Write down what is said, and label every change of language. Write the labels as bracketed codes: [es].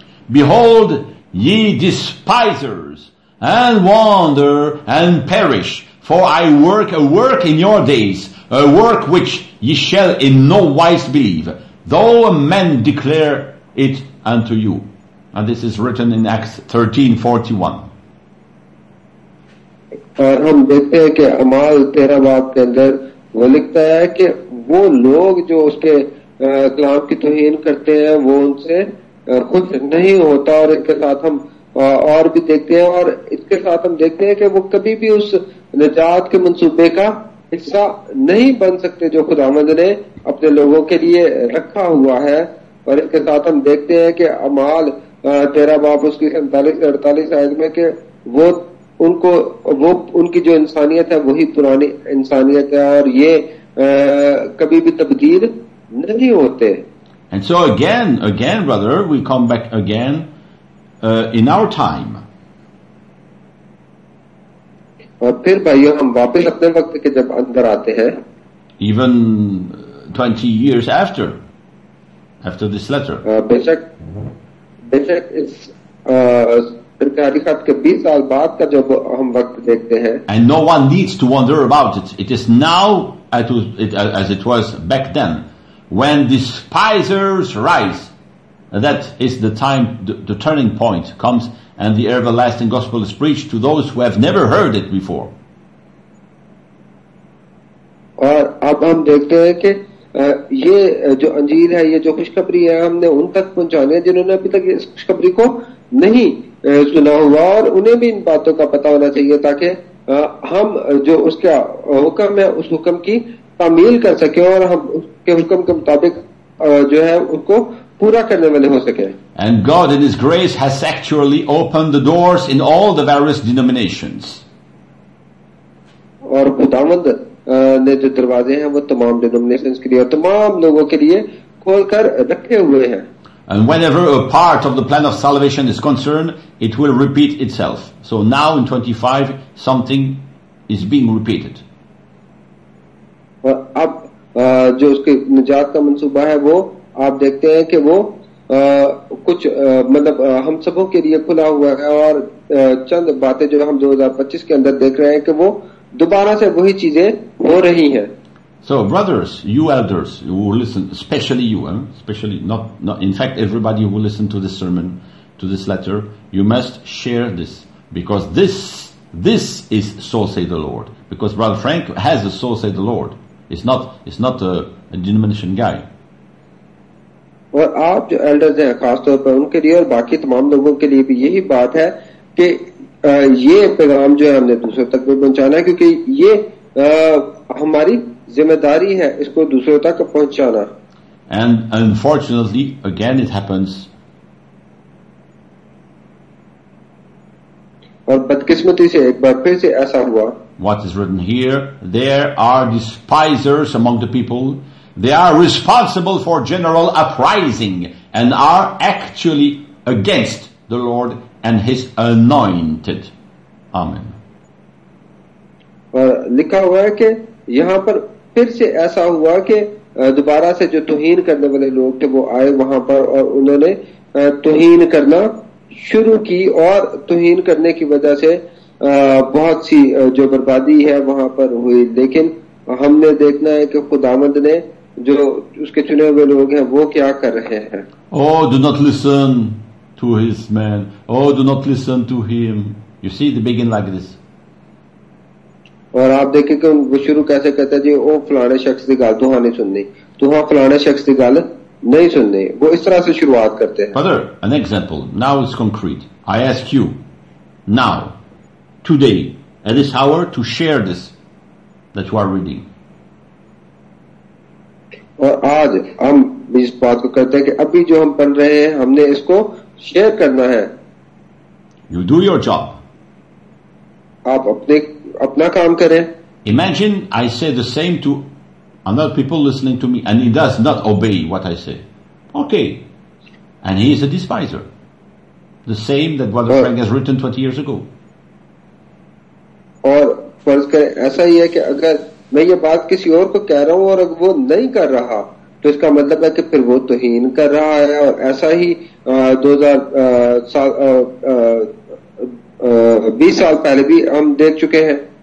[en] Behold, ye despisers, and wander and perish, for I work a work in your days, a work which ye shall in no wise believe, though a man declare it unto you. And this is written in Acts 13:41. [ur] हम देखते हैं कि अमाल 13 बाब के अंदर वो लिखता है कि वो लोग जो उसके کلام کی توہین کرتے ہیں وہ ان سے خوش نہیں ہوتا, اور اس کے ساتھ ہم اور بھی دیکھتے ہیں, اور اس کے ساتھ ہم دیکھتے ہیں کہ وہ کبھی بھی اس نجات کے منصوبے کا حصہ نہیں بن سکتے جو خداوند نے اپنے لوگوں کے لیے رکھا ہوا ہے. اور اس کے ساتھ ہم دیکھتے ہیں کہ اعمال 13 باب اس کی 47-48 آیت میں کہ وہ ان کو وہ ان کی جو انسانیت ہے وہی پرانی انسانیت ہے اور یہ کبھی بھی تبدیل نہیں ہوتے. [en] And so again, brother, we come back again in our time. [ur] اور پھر بھائیو ہم واپس اپنے وقت کے جب اندر آتے ہیں, [en] even 20 years after this letter. [ur] بے شک اس پرکاری خط کے 20 سال بعد کا جب ہم وقت دیکھتے ہیں. [en] And no one needs to wonder about it. It is now as it was back then. When despisers rise, that is the time, the turning point comes, and the everlasting gospel is preached to those who have never heard it before. [ur] اور اب ہم دیکھتے ہیں کہ یہ جو انجیل ہے, یہ جو خوشخبری ہے, ہم نے ان تک پہنچانے جنہوں نے ابھی تک اس خوشخبری کو نہیں سنا ہوا, اور انہیں بھی ان باتوں کا پتہ ہونا چاہیے تاکہ ہم جو اس کا حکم ہے اس حکم کی تعمیل کر سکے اور ہم اس کے حکم کے مطابق جو ہے اس کو پورا کرنے والے ہو سکے. [en] And God in His grace has actually opened the doors in all the various denominations. [ur] اور خداوند نے جو دروازے ہیں وہ تمام denominations کے لیے اور تمام لوگوں کے لیے کھول کر رکھے ہوئے ہیں. [en] And whenever a part of the plan of salvation is concerned, it will repeat itself. So now in 25, something is being repeated. [ur] اور اب جو اس کی نجات کا منصوبہ ہے وہ آپ دیکھتے ہیں کہ وہ کچھ مطلب ہم سبوں کے لیے کھلا ہوا ہے, اور چند باتیں جو ہم 2025 کے اندر دیکھ رہے ہیں کہ وہ دوبارہ سے وہی چیزیں ہو رہی ہیں. [en] So brothers, you elders who listen, especially you, especially not in fact everybody who listen to this sermon, to this letter, you must share this, because this is so say the Lord, because Brother Frank has a so say the Lord. It's not a denomination guy. [ur] اور آپ جو elders ہیں خاص طور پر ان کے لیے اور باقی تمام لوگوں کے لیے بھی یہی بات ہے کہ یہ پیغام جو ہے ہم نے دوسروں تک بھی پہنچانا ہے, کیونکہ یہ ہماری ذمہ داری ہے اس کو دوسروں تک پہنچانا. [en] And unfortunately, again it happens. [ur] اور بدقسمتی سے ایک بار پھر سے ایسا ہوا. [en] What is written here, there are despisers among the people. They are responsible for general uprising and are actually against the Lord and His anointed. Amen. [ur] لکھا ہوا ہے کہ یہاں پر پھر سے ایسا ہوا کہ دوبارہ سے جو توہین کرنے والے لوگ تھے وہ آئے وہاں پر اور انہوں نے توہین کرنا شروع کی, اور توہین کرنے کی وجہ سے بہت سی جو بربادی ہے وہاں پر ہوئی. لیکن ہم نے دیکھنا ہے کہ خداوند نے جو اس کے چنے ہوئے لوگ ہیں وہ کیا کر رہے ہیں. [en] Oh, do not listen to his man. Oh, do not listen to him. You see, they begin like this. [ur] اور آپ دیکھیں کہ وہ شروع کیسے کرتا ہے جی, وہ [pa] فلانے شخص کی گل تو ہاں نہیں سننی, [ur] تو ہاں فلانے شخص کی گل نہیں سننی, وہ اس طرح سے شروعات کرتے ہیں. [en] Father, an example. Now it's concrete. I ask you now, today, at this hour, to share this that you are reading. [ur] اور آج ہم اس بات کو کرتے ہیں کہ ابھی جو ہم پڑھ رہے ہیں ہم نے اس کو شیئر کرنا ہے. [en] You do your job. [ur] آپ اپنا کام کریں. [en] Imagine I say the same to another people listening to me and he does not obey what I say. Okay. And he is a despiser. The same that Brother Frank has written 20 years ago. [ur] اور فرض کریں ایسا ہی ہے کہ اگر میں یہ بات کسی اور کو کہہ رہا ہوں اور وہ نہیں کر رہا تو اس کا مطلب ہے کہ پھر وہ توہین کر رہا ہے. اور ایسا ہی 20 سال پہلے بھی ہم دیکھ چکے ہیں.